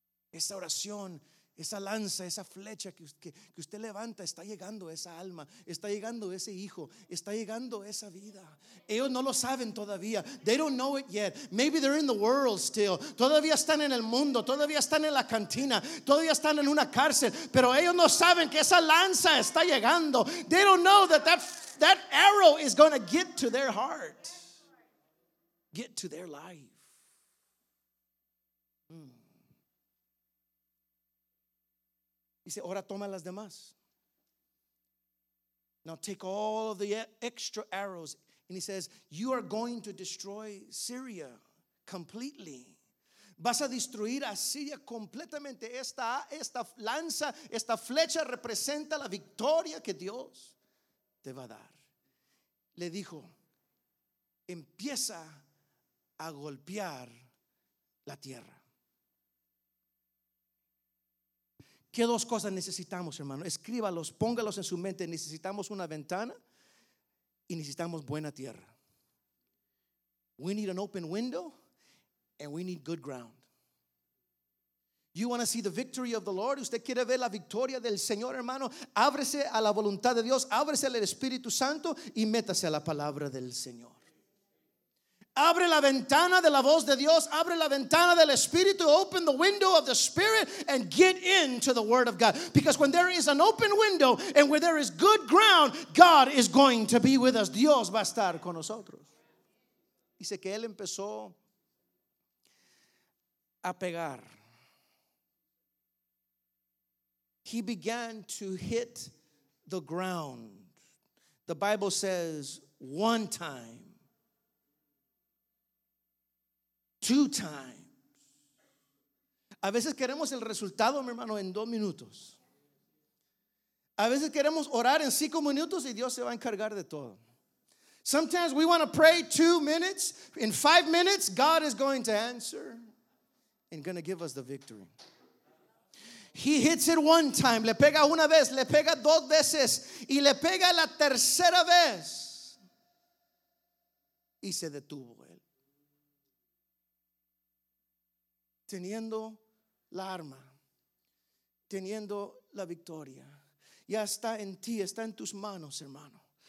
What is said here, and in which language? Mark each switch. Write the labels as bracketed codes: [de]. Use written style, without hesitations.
[es] Esa oración, esa lanza, esa flecha que usted levanta, está llegando esa alma, está llegando ese hijo, está llegando esa vida. Ellos no lo saben todavía. [en] They don't know it yet. Maybe they're in the world still. [es] Todavía están en el mundo, todavía están en la cantina, todavía están en una cárcel, pero ellos no saben que esa lanza está llegando. [en] They don't know that arrow is going to get to their heart, get to their life. [es] Dice, ahora toma las demás. [en] Now take all of the extra arrows. And he says, you are going to destroy Syria completely. [es] Vas a destruir a Siria completamente. Esta lanza, esta flecha representa la victoria que Dios te va a dar. Le dijo, empieza a golpear la tierra. ¿Qué dos cosas necesitamos, hermano? Escríbalos, póngalos en su mente. Necesitamos una ventana y necesitamos buena tierra. [en] We need an open window and we need good ground. You want to see the victory of the Lord? [es] ¿Usted quiere ver la victoria del Señor, hermano? Ábrese a la voluntad de Dios, ábrese al Espíritu Santo y métase a la palabra del Señor. Abre la ventana de la voz de Dios. Abre la ventana del Espíritu. [en] Open the window of the Spirit and get into the Word of God. Because when there is an open window and where there is good ground, God is going to be with us. [es] Dios va a estar con nosotros. Dice que Él empezó a pegar. [en] He began to hit the ground. The Bible says one time. Two times. [es] A veces queremos el resultado, mi hermano, en dos minutos. A veces queremos orar en cinco minutos y Dios se va a encargar de todo. [en] Sometimes we want to pray 2 minutes. In 5 minutes, God is going to answer and going to give us the victory. He hits it one time. [es] Le pega una vez, le pega dos veces y le pega la tercera vez. Y se detuvo. Teniendo la arma, teniendo la victoria, ya está en ti, está en tus manos, hermano.